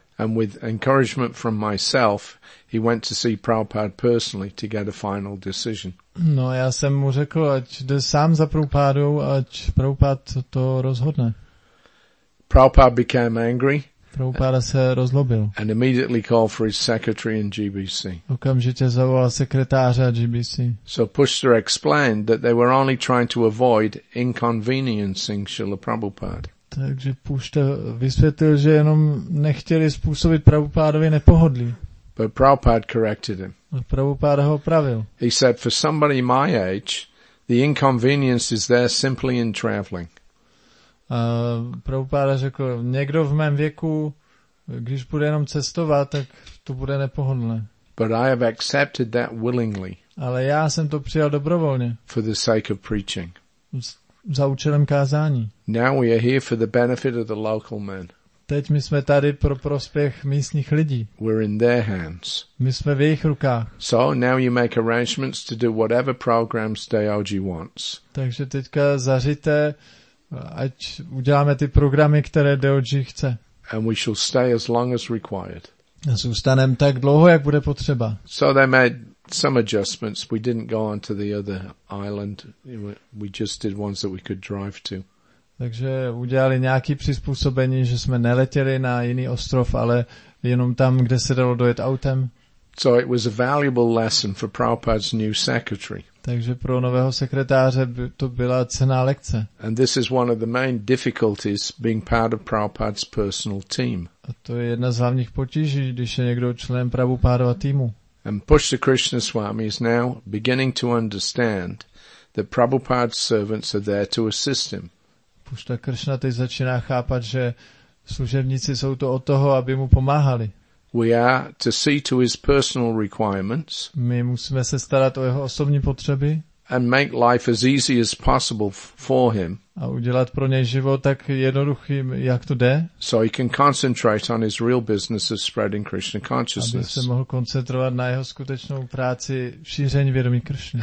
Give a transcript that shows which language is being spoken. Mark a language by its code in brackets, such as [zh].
[en] And with encouragement from myself, he went to see Prabhupada personally to get a final decision. [cs] No, já jsem mu řekl, ať jde sám za Prabhupádou, ať Prabhupada to rozhodne. [en] Prabhupada became angry. [cs] Prabhupada se rozlobil. [en] And immediately called for his secretary in GBC. [cs] Okamžitě zavolal sekretáře GBC. [en] So Pushtar explained that they were only trying to avoid inconveniencing Srila Prabhupada. [cs] Takže Pushtar vysvětlil, že jenom nechtěli způsobit Prabhupádovi nepohodlí. [en] But Prabhupada corrected him. [cs] A Prabhupada ho opravil. [en] He said, for somebody my age, the inconvenience is there simply in traveling. [cs] Prabhupada řekl, někdo v mém věku, když bude jenom cestovat, tak to bude nepohodlné. [en] But I have accepted that willingly. [cs] Ale já jsem to přijal dobrovolně. [en] For the sake of preaching. [cs] Za účelem kázání. [en] Now we are here for the benefit of the local men. [cs] Teď my jsme tady pro prospěch místních lidí. [en] We're in their hands. [cs] My jsme v jejich rukách. [en] So now you make arrangements to do whatever programs Deoji wants. [cs] Takže teďka zaříte, ať uděláme ty programy, které Deoji chce. [en] And we shall stay as long as required. [cs] A zůstaneme tak dlouho, jak bude potřeba. [en] So they made some adjustments. We didn't go on to the other island. We just did ones that we could drive to. [cs] Takže udělali nějaké přizpůsobení, že jsme neletěli na jiný ostrov, ale jenom tam, kde se dalo dojet autem. [en] So it was a valuable lesson for Prabhupada's new secretary. [cs] Takže pro nového sekretáře by to byla cenná lekce. [en] And this is one of the main difficulties being part of Prabhupada's personal team. [cs] A to je jedna z hlavních potíží, když je někdo členem Prabhupádova týmu. [en] And Pushtar Krishna Swami is now beginning to understand that Prabhupada's servants are there to assist him. [cs] Pushtar Krishna teď začíná chápat, že služebníci jsou to od toho, aby mu pomáhali. [en] We are to see to his personal requirements. [cs] My musíme se starat o jeho osobní potřeby. [en] And make life as easy as possible for him. [cs] A udělat pro něj život tak jednoduchým, jak to jde. [en] So he can concentrate on his real business of spreading Krishna consciousness. [cs] Aby se mohl koncentrovat na jeho skutečnou práci v šíření vědomí Krishna.